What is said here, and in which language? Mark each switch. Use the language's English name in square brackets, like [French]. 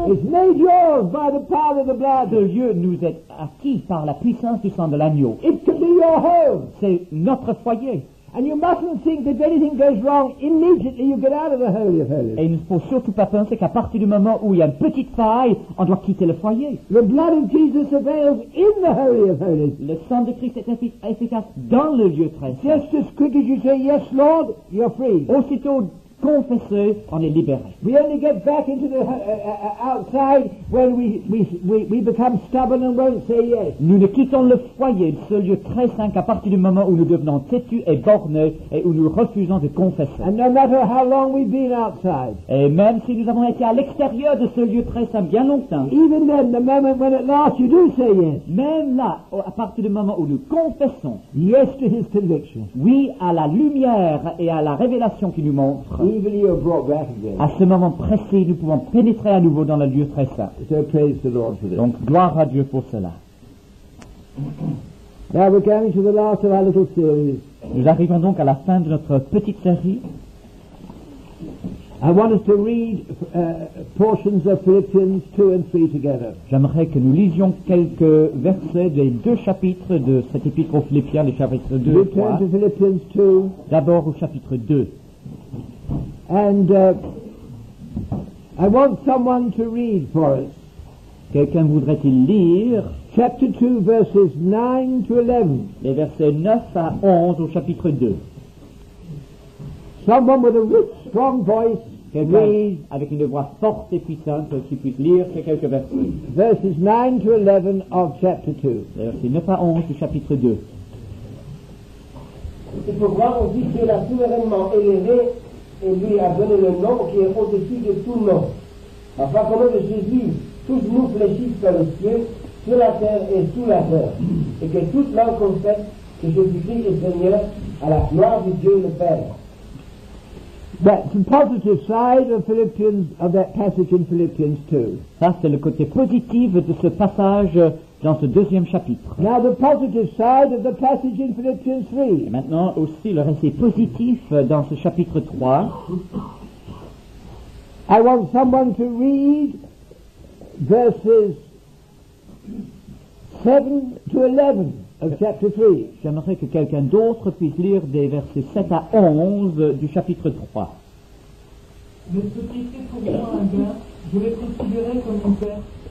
[English] It's made yours by the power of the blood. [French] Ce lieu nous est acquis par la puissance du sang de l'agneau. [English] It can be your home. [French] C'est notre foyer. [English] And you mustn't think that if anything goes wrong, immediately you get out of the Holy of Holies. [French] Et il ne faut surtout pas penser qu'à partir du moment où il y a une petite faille, on doit quitter le foyer. [English] The blood of Jesus avails in the Holy of Holies. [French] Le sang de Christ est efficace dans le lieu très saint. [English] Just as quick as you say, yes, Lord, you're free. [French] Aussitôt confessé, on est libéré. [English] We only get back into the outside when we become stubborn and won't say yes. [French] Nous ne quittons le foyer, ce lieu très saint, qu'à partir du moment où nous devenons têtus et bornés et où nous refusons de confesser. [English] And no matter how long we've been outside. [French] Et même si nous avons été à l'extérieur de ce lieu très saint bien longtemps. [English] Even then, the moment when at last you do say yes. [French] Même là, à partir du moment où nous confessons. [English] Yes to His conviction. [French] Oui à la lumière et à la révélation qu'il nous montre. [English] Even you are brought back again. [French] À ce moment précis, nous pouvons pénétrer à nouveau dans le lieu très saint. [English] So praise the Lord for this. [French] Donc, gloire à Dieu pour cela. [English] Now we're going to the last of our little series. [French] Nous arrivons donc à la fin de notre petite série. [English] I want us to read portions of Philippians 2 and 3 together. [French] J'aimerais que nous lisions quelques versets des deux chapitres de cette épître aux Philippiens, les chapitres 2 et 3. [English] Return to Philippians 2. [French] D'abord au chapitre 2. [English] And I want someone to read for us. [French] Quelqu'un voudrait-il lire? [English] Chapter 2, verses 9 to 11. [French] Les versets 9 à 11 au chapitre 2. [English] Someone with a rich, strong voice. [French] Quelqu'un avec une voix forte et puissante qui puisse lire ces quelques versets. [English] Verses 9 to 11 of chapter 2. [French] Versets 9 à 11 du chapitre 2. C'est pourquoi on dit que la souverainement élevée et lui a donné le nom qui est au-dessus de tout nom. Afin qu'au nom de Jésus, tous nous fléchissent vers les cieux, sur la terre et sous la terre. Et que toute langue confesse que Jésus-Christ est Seigneur à la gloire du Dieu le Père. [English] That's the positive side of Philippians, of that passage in Philippians 2. [French] Ça, c'est le côté positif de ce passage dans ce deuxième chapitre. [English] Now the positive side of the passage in Philippians 3. [French] Et maintenant aussi le récit positif dans ce chapitre 3. [English] I want someone to read verses 7 to 11 of chapter 3. [French] J'aimerais que quelqu'un d'autre puisse lire des versets 7 à 11 du chapitre 3. Le société pour moi un gain, je le considérerai comme une perte.